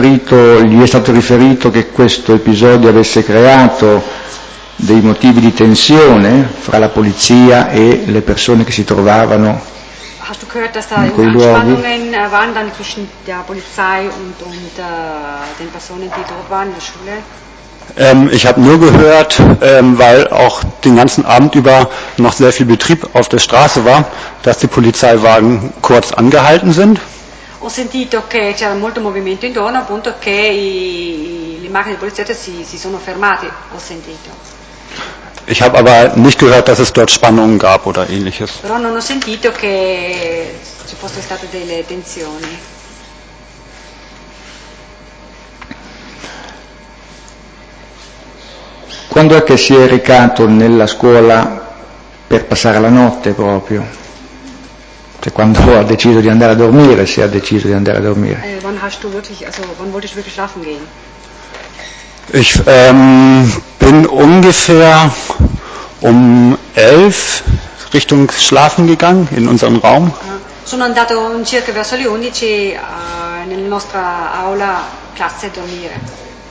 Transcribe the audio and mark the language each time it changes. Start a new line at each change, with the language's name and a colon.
Italian: Gli è stato riferito che questo episodio avesse creato dei motivi di tensione fra la polizia e le persone che si trovavano
German: hast du gehört, dass da
Italian: in quei luoghi?
German: Waren dann zwischen der Polizei und den Personen, die dort waren in der Schule? Ich habe nur gehört, weil auch den ganzen Abend über noch sehr viel Betrieb auf der Straße war, dass die Polizeiwagen kurz angehalten sind.
Italian: Ho sentito che c'era molto movimento intorno, appunto che le macchine di polizia si sono fermate, ho sentito.
German: Ich habe aber nicht gehört, dass es dort Spannungen gab oder ähnliches.
Italian: Però non ho sentito che ci fossero state delle tensioni. Quando è che si è recato nella scuola per passare la notte proprio? Cioè quando ha deciso di andare a dormire, se ha deciso di andare a dormire.
German: Wann hast du wirklich, also wann wolltest du wirklich schlafen gehen? Ich bin ungefähr um 11 Richtung schlafen gegangen in unserem Raum.
Italian: Sono andato circa verso le 11 nella nostra aula classe dormire.